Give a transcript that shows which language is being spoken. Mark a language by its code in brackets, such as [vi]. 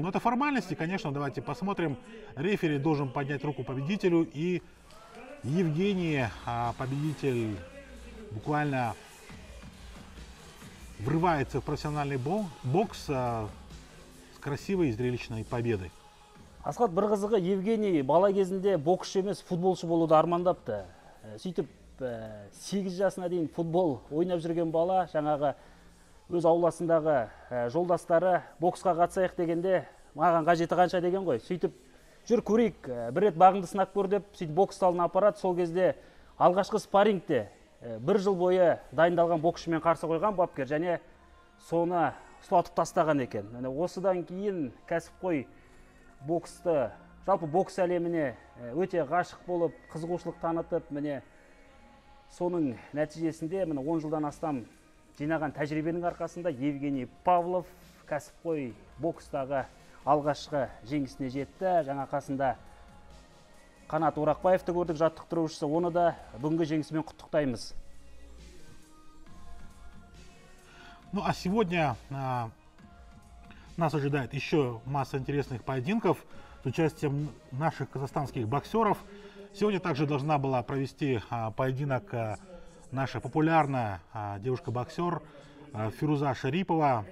[ru] Но это формальности, конечно. Давайте посмотрим. Рефери должен поднять руку победителю, и Евгений, победитель, буквально врывается в профессиональный бокс с красивой и зрелищной победой. [kk] Асхат, бір қызығы, Евгений бала кезінде боксшы емес, футболшы болуды армандапты. Сөйтіп 8 жасына дейін футбол ойнап жүрген бала, жаңағы өз ауласындағы жолдастары боксқа қатысайық дегенде, маған қажеті қанша деген ғой. Сөйтіп жүр көрейік, бір рет бағыңды сынап көр деп, сөйтіп бокс залын апарады. Сол кезде алғашқы спаррингте бір жыл бойы дайындалған боксшымен қарсы қойған бапкер, және соны сұлатып тастаған екен. Осыдан кейін кәсіпқой боксты, жалпы бокс әлеміне өте ғашық болып, қызығушылық танытып, міне соның нәтижесінде, міне 10 жылдан астам жинаған тәжірибенің арқасында Евгений Павлов кәсіпқой бокстағы алғашқы жеңісіне жетті. Жаңа қасында Қанат Орақбаевты көрдік, жаттықтырушысы. Оны да бүгінгі жеңісімен құттықтаймыз. [ru] Ну а сегодня нас ожидает еще масса интересных поединков с участием наших казахстанских боксеров. Сегодня также должна была провести поединок наша популярная девушка-боксер Фируза Шарипова.